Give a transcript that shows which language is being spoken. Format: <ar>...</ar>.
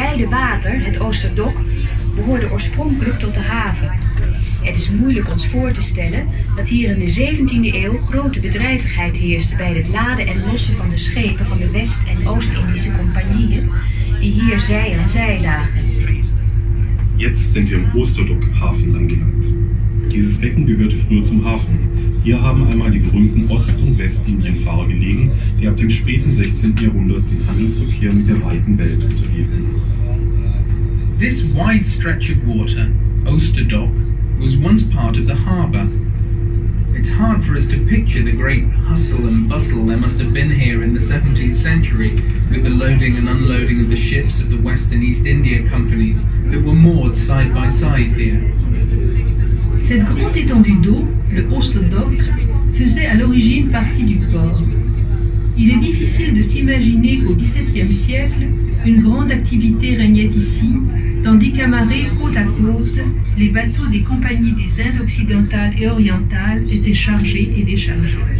<nl>water, het Oosterdok, behoorde oorspronkelijk tot de haven. Het is moeilijk ons voor te stellen dat hier in de 17e eeuw grote bedrijvigheid heerste bij het laden en lossen van de schepen van de West- en Oost-Indische compagnieën die hier zij aan zij lagen.</nl> <de>Jetzt sind wir im Oosterdok-Hafen angelangt. Dieses Becken gehörte früher zum Hafen. Hier haben einmal die berühmten Ost- und Westindienfahrer gelegen, die ab dem späten 16. Jahrhundert den Handelsverkehr mit der weiten Welt unterhielten.</de> <en>This wide stretch of water, Oosterdok, was once part of the harbor. It's hard for us to picture the great hustle and bustle there must have been here in the 17th century with the loading and unloading of the ships of the West and East India companies that were moored side by side here.</en> <fr>Cette grande étendue d'eau, le Oosterdok, faisait à l'origine partie du port. Il est difficile de s'imaginer qu'au XVIIe siècle, une grande activité régnait ici, tandis qu'amarrés côte à côte, les bateaux des compagnies des Indes occidentales et orientales étaient chargés et déchargés.</fr>